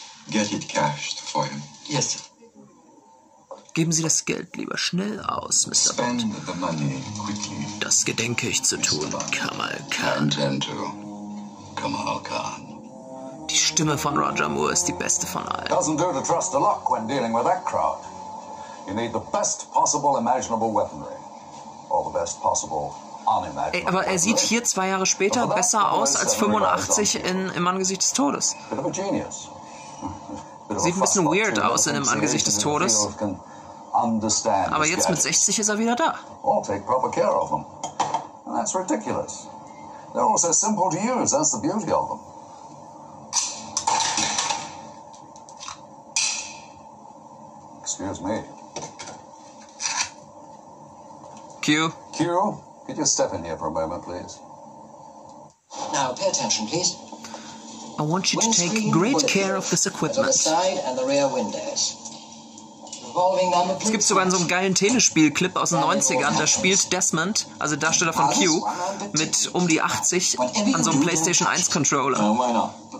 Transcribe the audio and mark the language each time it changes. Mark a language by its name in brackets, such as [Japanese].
[English] Get it cashed for him. Yes, sir. [German] Geben Sie das Geld lieber schnell aus, Mr. Bond. Das gedenke ich zu tun, Kamal Khan. Die Stimme von Roger Moore ist die beste von allen. [English] Doesn't do to trust the luck when dealing with that crowd. You need the best possible imaginable weaponry. Or the best possible unimaginable weaponry. [German] Aber er sieht hier zwei Jahre später besser aus als 85 in Im Angesicht des Todes. Sieht ein bisschen weird aus in Im Angesicht des Todes. Aber jetzt mit 60 ist wieder da. [English] All take proper care of them. And that's ridiculous. They're all so simple to use, that's the beauty of them. excuse me. Q? Q, could you step in here for a moment, please? Now, pay attention, please. I want you to take great care of this equipment. The side and the rear windows. [German] Es gibt sogar so einen geilen Tennisspielclip aus den 90ern, da spielt Desmond, also Darsteller von Q, mit um die 80 an so einem PlayStation 1 Controller.